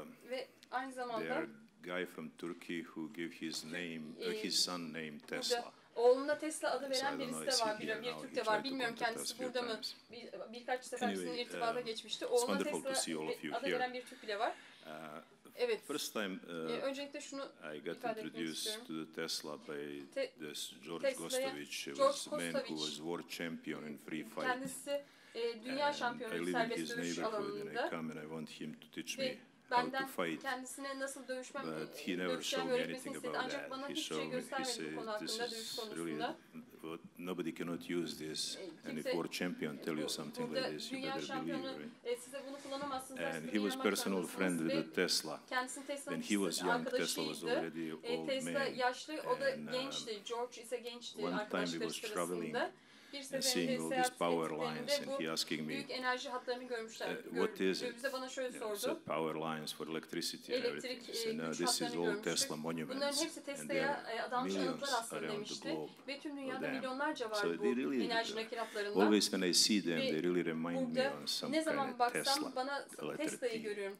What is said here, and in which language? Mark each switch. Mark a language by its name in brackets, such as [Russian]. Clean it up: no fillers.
[Turkish] ve aynı zamanda [English] guy from Turkey who gave his name his son name Tesla. [Turkish] Oğluna Tesla adı veren birisi de var, bir Türk de var. Bilmiyorum kendisi burada mı? Birkaç seferinde irtibata geçmişti. Oğluna Tesla adı veren bir Türk bile var. Evet. [English] First time, [Turkish] öncelikle şunu [English] I got introduced to the Tesla by this George Kostovich, man who was world champion in free fight. [Turkish] Kendisi dünya şampiyonu serbest dövüş alanında. [English] And I come and I want him to teach me how to fight. [Turkish] Kendisine nasıl dövüşmem, [English] but he never showed me anything about that. [Turkish] Ancak bana hiçbir şey göstermedi bu konu hakkında, dövüş konusunda. [English] Really, but nobody cannot use this. And if world champion tell you something like this, you better believe it. [Turkish] Size bunu kullanamazsınız. [English] And he was personal friend with Tesla. [Turkish] Kendisini Tesla'nın [English] when he was young, Tesla was already old man. [Turkish] Tesla yaşlı, o da gençti. George ise gençti. [English] One time he was traveling. [Turkish] Bir seferinde seyahat ettiklerinde bu büyük enerji hatlarını görmüşler. Bize bana şöyle sordu. [English] So power lines for electricity and everything. So now this is all Tesla monuments. [Turkish] Bunların hepsi Tesla'ya adanmış anıtlar aslında demişti. Ve tüm dünyada milyonlarca var bu enerji nakil hatlarında. [English] Always when I see them, they really remind me of some kind of Tesla. [Turkish] Ne zaman baksam bana Tesla'yı görüyorum.